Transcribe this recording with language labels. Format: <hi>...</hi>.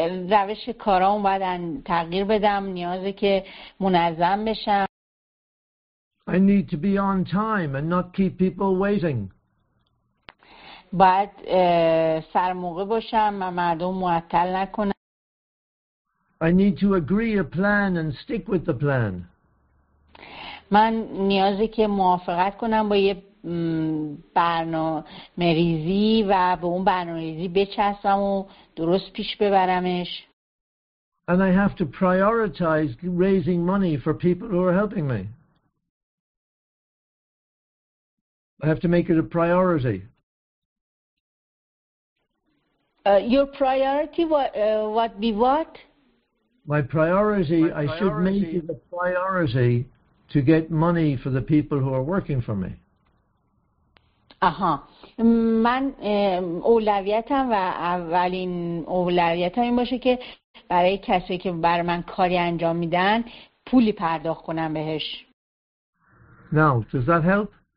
<fa>روش کارام باید تغییر بدم، نیازه که منظم بشم.</fa> <en>I need to be on time and not keep people waiting.</en> <fa>باید سر موقع باشم و مردم معطل نکنم.</fa> <en>I need to agree a plan and stick with the plan.</en> <fa>من نیازی که موافقت کنم با یه برنامه ریزی و به اون برنامه ریزی بچسبم و درست پیش ببرمش.</fa> <en>And I have to prioritize raising money for people who are helping me. I have to make it a priority. Your priority what be what? My priority, I should make it a priority to get money for the people who are working for me. Aha.</en> <fa>من اولویتم و اولین اولویتم این باشه که برای کسی که بر من کاری انجام میدن پولی پرداخت کنم بهش.</fa> <en>Now, does that help?</en>